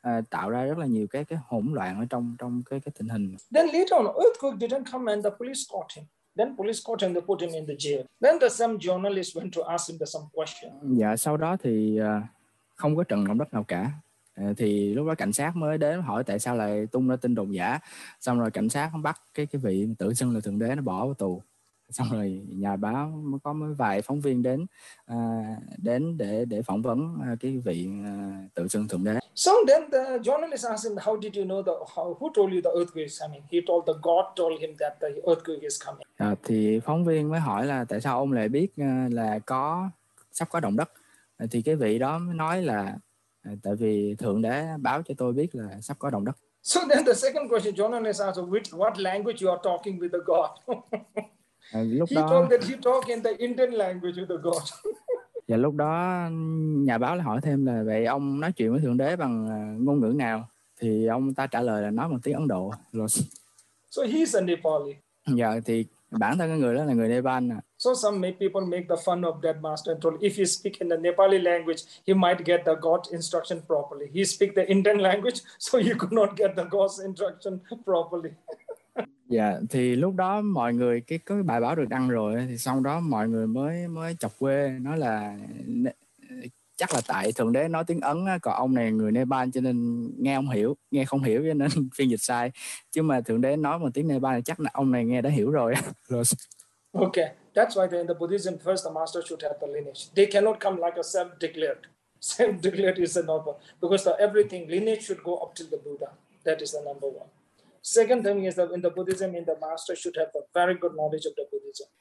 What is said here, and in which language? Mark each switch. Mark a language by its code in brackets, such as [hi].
[vi] Tạo ra rất là nhiều cái hỗn loạn ở trong cái tình hình. [en] Then later on, earthquake didn't come and the police caught him. Then police caught him, they put him in the jail. Then the some journalist went to ask him some question. [vi] Dạ, sau đó thì không có trận động đất nào cả. Thì lúc đó cảnh sát mới đến hỏi tại sao lại tung ra tin đồn giả. Xong rồi cảnh sát bắt cái vị tự xưng là Thượng Đế nó bỏ vào tù. Xong rồi nhà báo mới có mấy vài phóng viên đến đến để phỏng vấn cái vị tự xưng Thượng Đế. [en] So then the journalist asked him, how did you know who told you the earthquake is coming? He told the God told him that the earthquake is coming. [vi] Thì phóng viên mới hỏi là tại sao ông lại biết là sắp có động đất. Thì cái vị đó mới nói là tại vì Thượng Đế báo cho tôi biết là sắp có động đất. [en] So then the second question, journalist asked, what language you are talking with the God? He talked in the Indian language with the God. [vi] Và lúc đó nhà báo lại hỏi thêm là vậy ông nói chuyện với Thượng Đế bằng ngôn ngữ nào? Thì ông ta trả lời là nói bằng tiếng Ấn Độ. [en] So he's a Nepali. [vi] Dạ, thì bản thân cái người đó là người Nepal. [en] So some people make the fun of dead master and told if he speak in the Nepali language, he might get the God's instruction properly. He speak the Indian language, so he could not get the God's instruction properly. [vi] Dạ, thì lúc đó mọi người có cái bài báo được đăng rồi, thì sau đó mọi người mới chọc quê, nói là chắc là tại Thượng Đế nói tiếng Ấn, còn ông này người Nepal cho nên nghe không hiểu cho nên phiên dịch sai, chứ mà Thượng Đế nói một tiếng Nepal chắc là ông này nghe đã hiểu rồi. [en] Okay, that's why in the Buddhism first the master should have the lineage. They cannot come like a self-declared is a noble, because the everything lineage should go up till the Buddha. That is the number one. Second thing is that in the Buddhism, in the master should have a very good knowledge of the Buddhism.